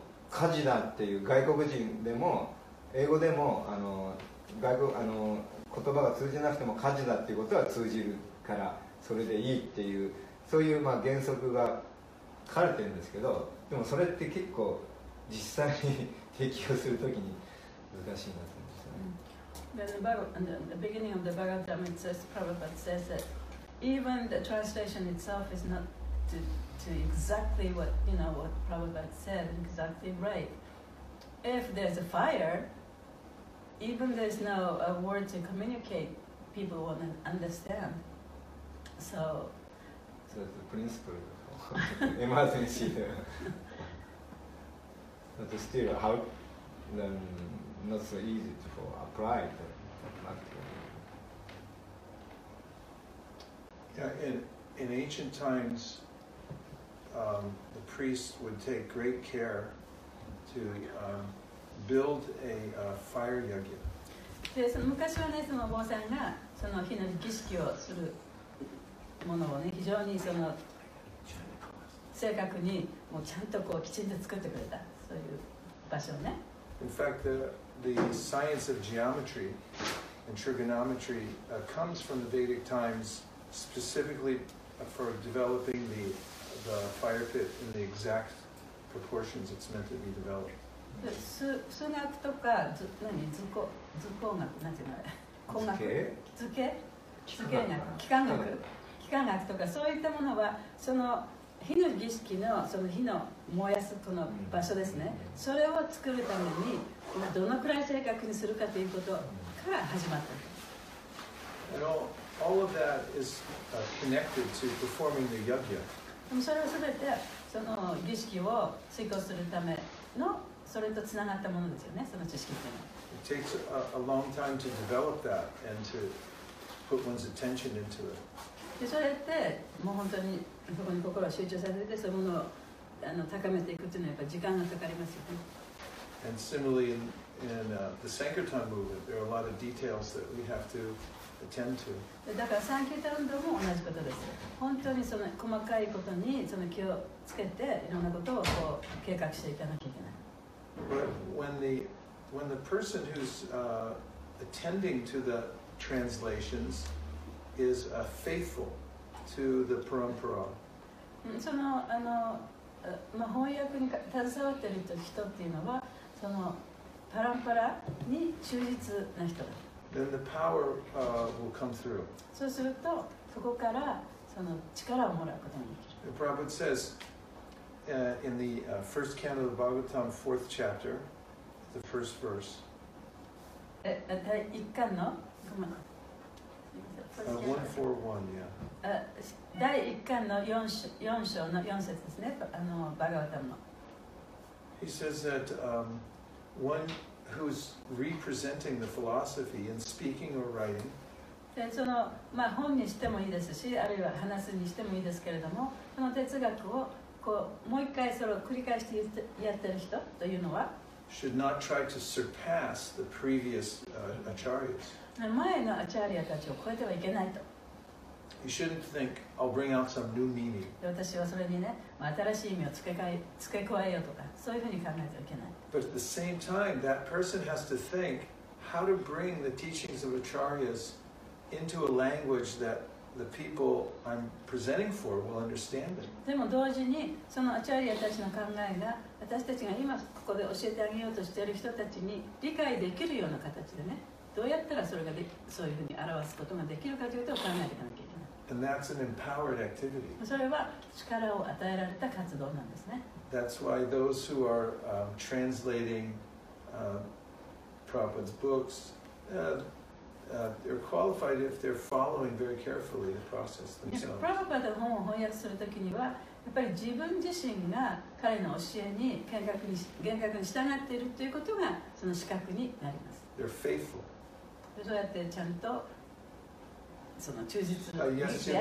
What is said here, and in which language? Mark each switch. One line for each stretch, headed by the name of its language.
Japanese: 火事だっていう外国人でも英語でも言葉が通じなくても火事だっていうことは通じるからそれでいいっていうそういうまあ原則が書かれてるんですけど、でもそれって結構実際に適用するときに難しいなと思うんですよね。
English: Then the beginning of the Bhagavad Gita, it says Prabhupada says that even the translation itself is not to exactly what you know what Prabhupada said exactly right. If there's a fire. Even there's no a word to communicate, people won't understand. So, that's the principle emergency. But still, how then not so easy to apply the practical. Yeah, in ancient times, the priests would take great care to. Build a fire yagya.
Japanese: でその昔はねその坊さんがその火の儀式をするものをね非常にその正確にもうちゃんとこうきちんと作ってくれたそういう場所ね。
English: In fact, the science of geometry and trigonometry comes from the Vedic times, specifically for developing the fire pit in the exact proportions it's meant to be developed.
Japanese: 数学とか図工学なんていうの工学図形図形学幾何学幾何学とかそういったものはその火の儀式のその火の燃やすこの場所ですね、うん、それを作るためにどのくらい正確にするかということから始まった。
English: All of that is connected to performing the yagya.
Japanese: それはすべてその儀式を遂行するためのそれとつながったものですよね、その知識というの
English: は。It takes a long time to develop that and to put one's attention into it.
Japanese: で、それってもう本当にそこに心を集中させてそのものをあの高めていくというのはやっぱり時間がかかりますよね。
English: And similarly in the Sankirtan movement, there are a lot of details that we have to attend to.
Japanese: だからサンキータン道も同じことです。本当にその細かいことにその気をつけていろんなことをこう計画していかなきゃいけない。
English: But when the person who's attending to the translations is faithful to the parampara.
Japanese: そのあの、まあ、翻訳に携わっている人っていうのはそのパランパラに忠実な人だ。
English: Then the power will come through.
Japanese: そうするとそこからその力をもらうことができる。
English: The Prabhupada says in the first canto of the Bhagavatam, fourth chapter, the first verse.
Japanese: 第1巻の 141,
English: yeah.
Japanese: 第1巻の4章の4節ですね、あのバガヴァタムの。
English: He says that one who's representing the philosophy in speaking or writing.
Japanese: で、その、まあ、本にしてもいいですし、あるいは話すにしてもいいですけれども、その哲学をこうもう一回それを繰り返してやってる人というのは、
English: should not try to surpass the previous acharyas.
Japanese: 前のアチャーリアたちを超えてはいけないと。
English: You shouldn't think, I'll bring out some new meaning.
Japanese: 私はそれにね、まあ、新しい意味を付け加えようとか、そういうふうに考えてはいけない。
English: But at the same time, that person has to think how to bring the teachings of acharyas into a language that the people I'm presenting for will understand it.
Japanese: でも同時に、そのアチャーリアたちの考えが私たちが今ここで教えてあげようとしている人たちに理解できるような形でね、どうやったらそれがそういうふうに表すことができるかというと考えていかなきゃいけない。
English: And that's an empowered activity.
Japanese: それは力を与えられた活動なんですね。
English: That's why those who are translating Prabhupada's books, they're qualified if they're following very carefully the process themselves.
Japanese: Prabhupada の本を翻訳するときには、やっぱり自分自身が彼の教えに厳格に従っているということがその資格になります。
English: They're faithful.
Japanese: そうやってちゃんとその忠実にやるということですね。